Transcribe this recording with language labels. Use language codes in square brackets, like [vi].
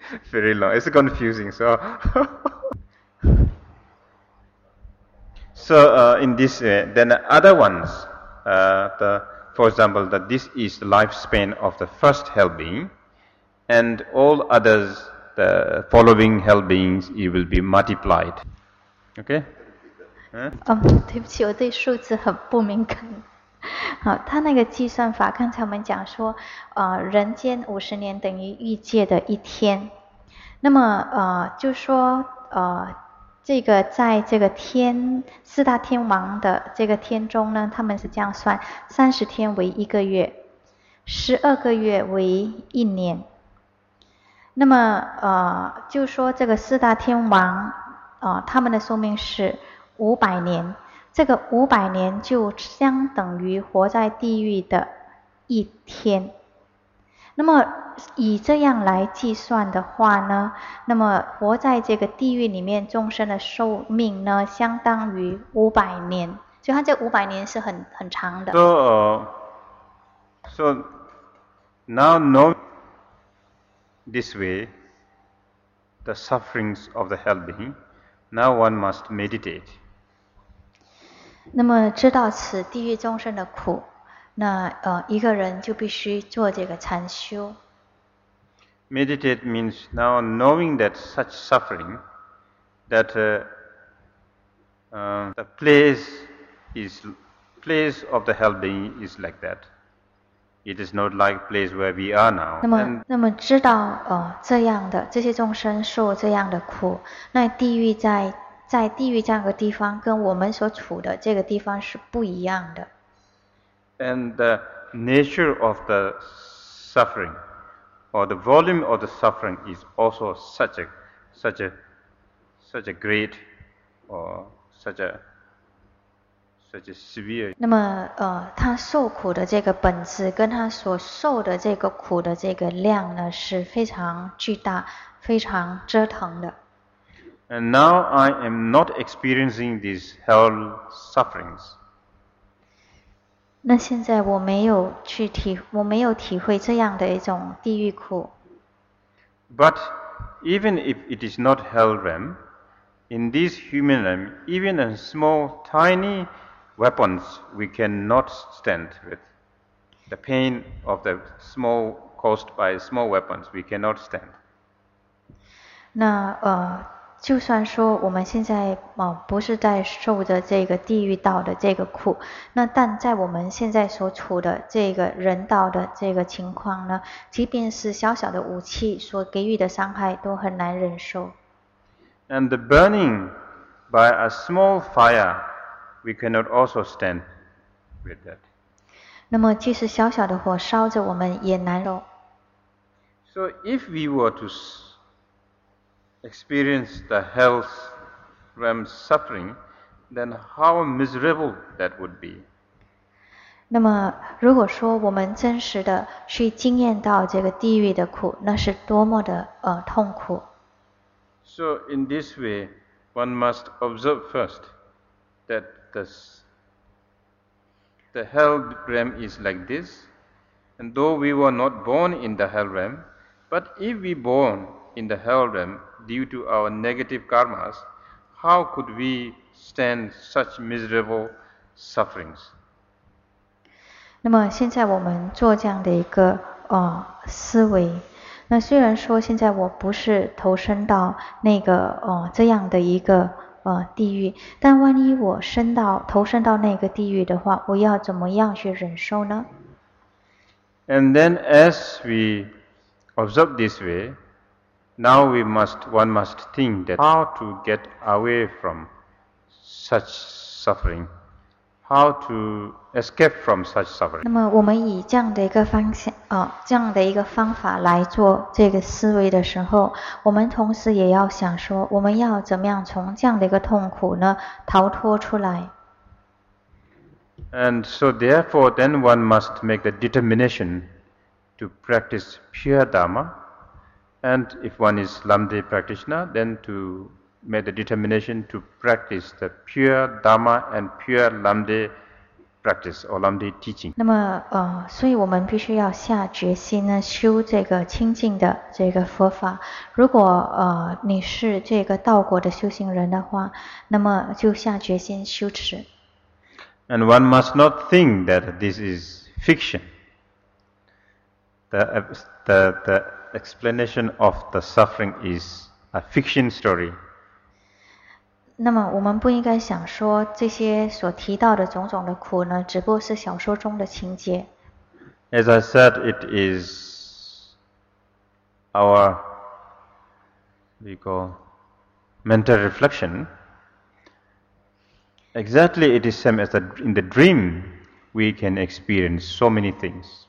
[en] Very long. It's confusing. Then the other ones, for example, this is the lifespan of the first hell being, and all others, the following hell beings, it will be multiplied. Okay? Huh? [zh] 对不起，我对数字很不敏感。好，他那个计算法，刚才我们讲说，人间五十年等于欲界的一天。那么，就说，这个在这个天四大天王的这个天中呢，他们是这样算：30天为一个月，12个月为一年。那么，就说这个四大天王，他们的寿命是500年。这个500年就相等于活在地狱的一天。那么以这样来计算的话呢，那么活在这个地狱里面众生的寿命呢，相当于500年。所以它这500年是很长的。 [en] So now know this way, the sufferings of the hell being. Now one must meditate. [zh] 那么知道此地狱众生的苦，那一个人就必须做这个禅修。 [en] Meditate means now knowing that such suffering, that the place of the hell being is like that. It is not like place where we are now. [zh] 那么知道这样的这些众生受这样的苦，那地狱在地狱这样的地方跟我们所处的这个地方是不一样的。 [en] And the nature of the suffering, or the volume of the suffering is also such a great, or such a severe. [zh] 那么他受苦的这个本质跟他所受的这个苦的这个量呢是非常巨大，非常折腾的。 [en] And now I am not experiencing these hell sufferings. [zh] 那现在我没有体会这样的一种地狱苦。 [en] But even if it is not hell realm, in this human realm, even a small, tiny weapons we cannot stand with. The pain of the small, caused by small weapons, we cannot stand. [zh] 那就算说我们现在不是在受着这个地狱道的这个苦，那但在我们现在所处的这个人道的这个情况呢，即便是小小的武器所给予的伤害都很难忍受。 [en] And the burning by a small fire, we cannot also stand with that. [zh] 那么即使小小的火烧着我们也难受。 [en] So if we were to experience the hell realm suffering, then how miserable that would be. [zh] 那么如果说我们真实的去经验到这个地狱的苦，那是多么的痛苦。 [en] So in this way, one must observe first that the hell realm is like this, and though we were not born in the hell realm, but if we born in the hell realm,Due to our negative karmas, how could we stand such miserable sufferings? [zh] 那么现在我们做这样的一个思维，那虽然说现在我不是投身到那个这样的一个地狱，但万一我升到投身到那个地狱的话，我要怎么样去忍受呢？ [en] And then as we observe this way, now we must, one must think that how to get away from such suffering, how to escape from such suffering. [zh] 那么我们以这样的一个方向，这样的一个方法来做这个思维的时候，我们同时也要想说，我们要怎么样从这样的一个痛苦呢，逃脱出来。 [en] And so therefore, then one must make the determination to practice pure Dharma. And if one is Lamdi practitioner, then to make the determination to practice the pure Dharma and pure Lamdi practice or Lamdi teaching. [zh] 那么，所以我们必须要下决心呢，修这个清净的这个佛法。如果你是这个道果的修行人的话，那么就下决心修持。 [en] And one must not think that this is fiction. The explanation of the suffering is a fiction story. [zh] 那么我们不应该想说这些所提到的种种的苦呢，只不过是小说中的情节。 [en] As I said, it is our, we call, mental reflection. Exactly, it is same as in the dream, we can experience so many things.